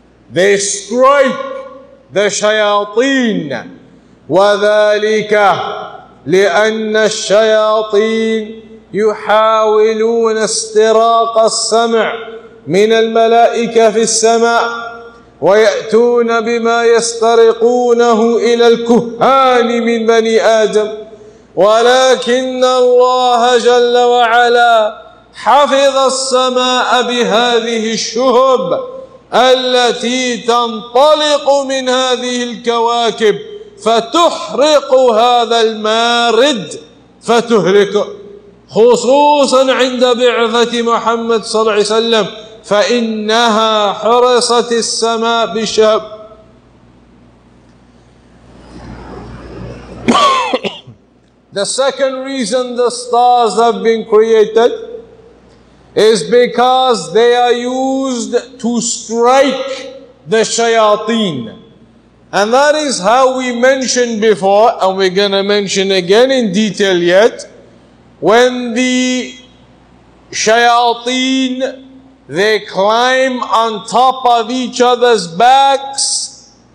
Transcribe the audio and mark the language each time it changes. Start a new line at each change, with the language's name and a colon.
English: They strike the shayateen.
Arabic: وَذَلِكَ لِأَنَّ الشَّيَاطِينَ يُحَاوِلُونَ اسْتِرَاقَ السَّمْعِ مِنَ الْمَلَائِكَةِ فِي السَّمَاءِ وَيَأْتُونَ بِمَا يَسْتَرِقُونَهُ إِلَى الْكُهَّانِ مِنْ بَنِي آدَمَ ولكن الله جل وعلا حفظ السماء بهذه الشهب التي تنطلق من هذه الكواكب فتحرق هذا المارد فتهلكه خصوصا عند بعثة محمد صلى الله عليه وسلم فإنها حرست السماء بشهب.
English: The second reason the stars have been created is because they are used to strike the shayateen. And that is how we mentioned before, and we're going to mention again in detail yet, when the shayateen, they climb on top of each other's backs.